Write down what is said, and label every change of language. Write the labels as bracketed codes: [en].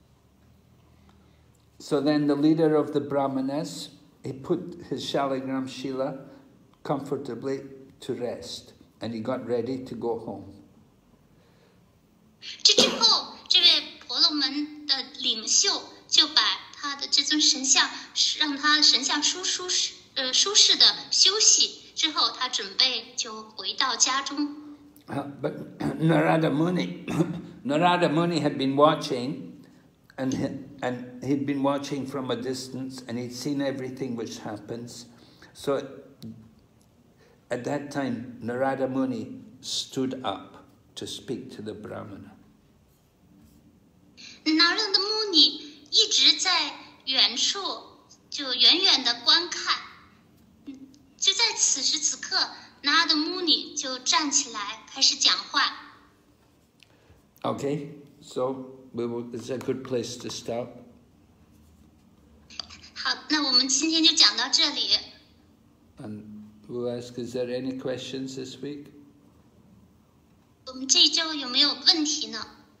[zh] 纯粹的奉献服务是指的只是为了至尊主的喜悦来做出的供奉，没有任何自私的动机。 [en] So then the leader of the Brahmanas, he put his Shalagram Shila comfortably to rest, and he got ready to go home. [zh] 这之后，这位婆罗门的领袖就把他的这尊神像，让他的神像舒舒 [en] But Narada Muni had been watching, and he'd been watching from a distance, and he'd seen everything which happens. So at that time, Narada Muni stood up to speak to the Brahmana. [zh] Narada Muni 一直在远处，就远远的观看。就在此时此刻, Narada Muni 就站起来开始讲话。 [en] Okay, so it's a good place to stop. [zh] 好，那我们今天就讲到这里。 [en] And we'll ask, is there any questions this week? [zh] 我们这一周有没有问题呢？